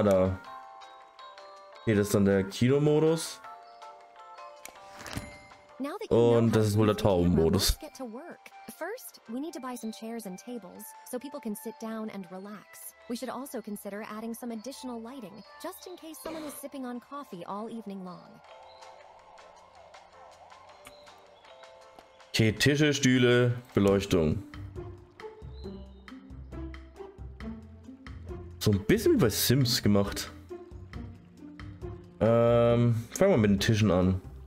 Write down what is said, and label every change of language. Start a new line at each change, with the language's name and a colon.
German: Okay, das ist dann der Kinomodus. Und das ist wohl der Taubenmodus.
English: First, we need to buy some chairs and tables, so people can sit down and relax. We should also consider adding some additional lighting, just in case someone is sipping on coffee all evening long.
German: Okay, Tische, Stühle, Beleuchtung. So ein bisschen wie bei Sims gemacht. Fangen wir mit den Tischen an.